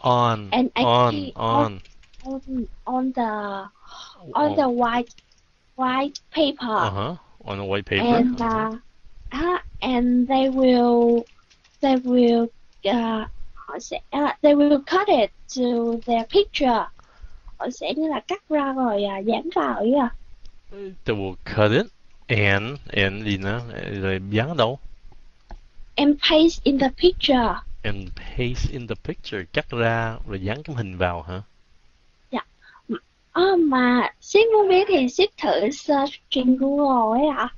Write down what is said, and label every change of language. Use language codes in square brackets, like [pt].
[en] on the white paper. Uh-huh. On the white paper. And they will cut it to their picture. [vi] Họ sẽ như là cắt ra rồi dán vào ý à. [en] They will cut it and you know, [vi] rồi dán đâu? [en] And paste in the picture. And paste in the picture. [vi] Cắt ra rồi dán cái hình vào hả? Dạ. Yeah. Mà xin muốn biết thì xin thử search trên Google ấy ạ.